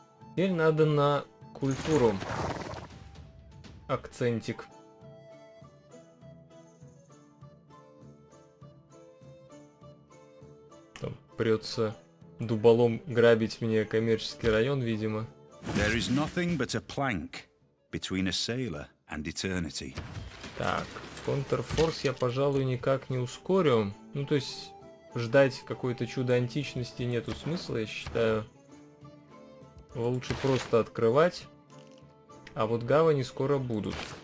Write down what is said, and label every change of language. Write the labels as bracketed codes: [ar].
[ru] Теперь надо на культуру акцентик. Там прется дуболом грабить мне коммерческий район, видимо. [en] There is nothing but a plank between a sailor and eternity. [ru] Так. Контрфорс я, пожалуй, никак не ускорю. Ну, то есть, ждать какое-то чудо античности нету смысла, я считаю. Лучше просто открывать. А вот гавани скоро будут.